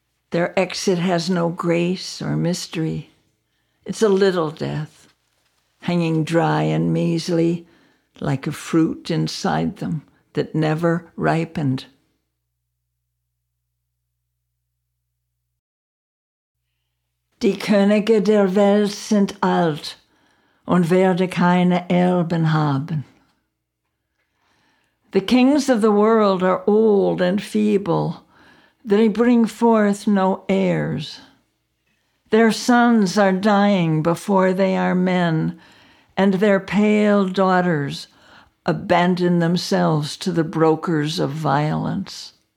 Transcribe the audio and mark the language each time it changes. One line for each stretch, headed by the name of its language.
English: Their exit has no grace or mystery. It's a little death, hanging dry and measly like a fruit inside them that never ripened.
German: Die Könige der Welt sind alt, und werde keine Erben haben.
English: The kings of the world are old and feeble. They bring forth no heirs. Their sons are dying before they are men, and their pale daughters abandon themselves to the brokers of violence.